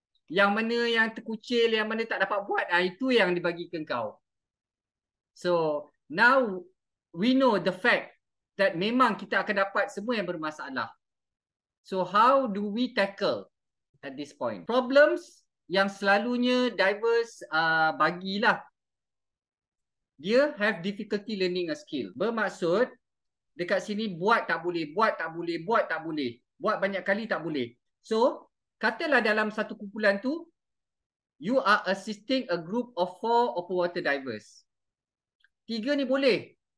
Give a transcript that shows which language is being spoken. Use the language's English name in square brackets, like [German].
[Malay] Yang mana yang terkucil, yang mana tak dapat buat, itu yang dibagi ke kau. [English] So, now we know the fact that [Malay] memang kita akan dapat semua yang bermasalah. [English] So how do we tackle at this point? [Malay] Problems yang selalunya divers bagilah. Dia [English] have difficulty learning a skill. [Malay] Bermaksud dekat sini buat tak boleh, buat tak boleh, buat tak boleh. Buat banyak kali tak boleh. So katalah dalam satu kumpulan tu, [English] you are assisting a group of 4 open water divers. [Malay] 3 ni boleh.